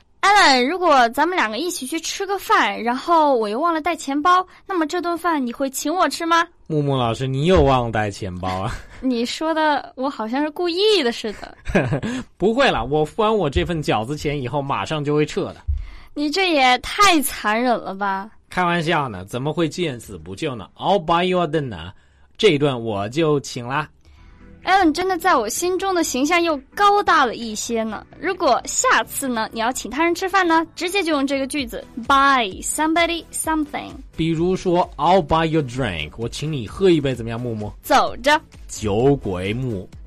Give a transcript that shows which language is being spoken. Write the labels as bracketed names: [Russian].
[Chinese] Alan, 如果咱们两个一起去吃个饭，然后我又忘了带钱包，那么这顿饭你会请我吃吗？木木老师，你又忘带钱包啊？你说的我好像是故意的似的。不会了，我付完我这份饺子钱以后马上就会撤的。你这也太残忍了吧。开玩笑呢，怎么会见死不救呢？ [English] I'll buy your dinner, [Chinese] 这顿我就请啦。 Alan 真的在我心中的形象又高大了一些呢。如果下次呢你要请他人吃饭呢，直接就用这个句子 [English] buy somebody something。 [Chinese] 比如说 [English] I'll buy your drink, [Chinese] 我请你喝一杯怎么样木木？走着酒鬼木。